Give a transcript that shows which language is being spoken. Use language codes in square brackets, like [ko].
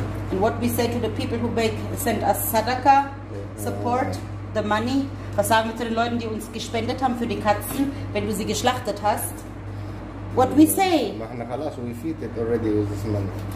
[en] And what we say to the people who bake, send us Sadaka, support, the money. [de] Was sagen wir zu den Leuten, die uns gespendet haben für die Katzen, wenn du sie geschlachtet hast? [en] What we say? Machen Halas, we feed it already with this money.